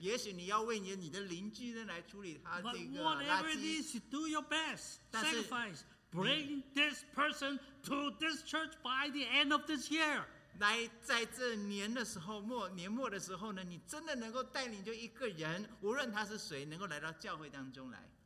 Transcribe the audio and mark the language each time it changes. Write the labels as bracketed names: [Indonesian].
[Chinese] 也许你要为你的邻居呢来处理他这个垃圾。 [English] But whatever it is, do your best. Sacrifice. Bring this person to this church by the end of this year. [Chinese] 来，在这年的时候末年末的时候呢，你真的能够带领就一个人，无论他是谁，能够来到教会当中来。